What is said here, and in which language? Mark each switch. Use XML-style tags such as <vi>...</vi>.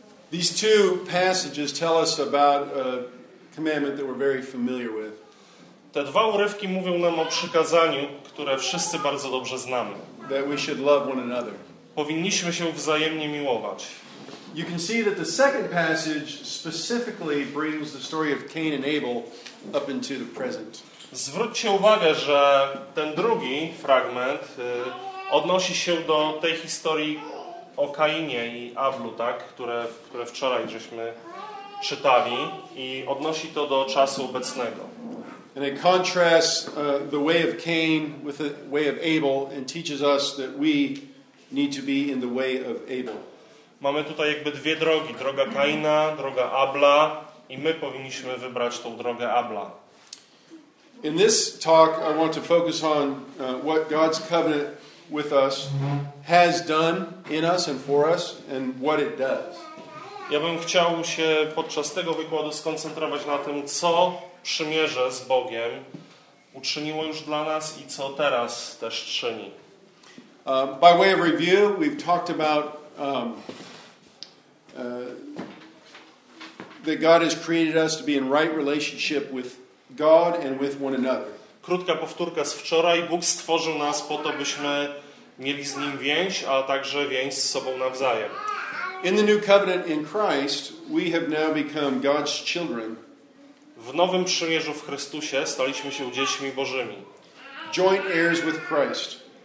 <en>These two passages tell us about a commandment that we're very familiar with.</en> <pl>Te dwa urywki mówią nam o przykazaniu, które wszyscy bardzo dobrze znamy.</pl> <en>That we should love one another.</en> <pl>Powinniśmy się wzajemnie miłować.</pl> <en>You can see that the second passage specifically brings the story of Cain and Abel up into the present.</en> <pl>Zwróćcie uwagę, że ten drugi fragment odnosi się do tej historii o Kainie i Ablu, tak, które wczoraj żeśmy czytali i odnosi to do czasu obecnego.</pl> <en>And it contrasts the way of Cain with the way of Abel and teaches us that we need to be in the way of Abel.</en> <pl>Mamy tutaj jakby dwie drogi, droga Kaina, droga Abla i my powinniśmy wybrać tą drogę Abla.</pl> <en>In this talk I want to focus on what God's covenant with us has done in us and for us and what it does.</en> <pl>Ja bym chciał się podczas tego wykładu skoncentrować na tym, co przymierze z Bogiem uczyniło już dla nas i co teraz też czyni.</pl> <en>By way of review, we've talked about that God has created us to be in right relationship with God and with one another.</en> <pl>Krótka powtórka z wczoraj. Bóg stworzył nas po to, byśmy mieli z Nim więź, a także więź z sobą nawzajem.</pl> <en>In the new covenant in Christ, we have now become God's children.</en> <pl>W nowym przymierzu w Chrystusie staliśmy się dziećmi Bożymi.</pl> <en>Joint heirs with Christ.</en>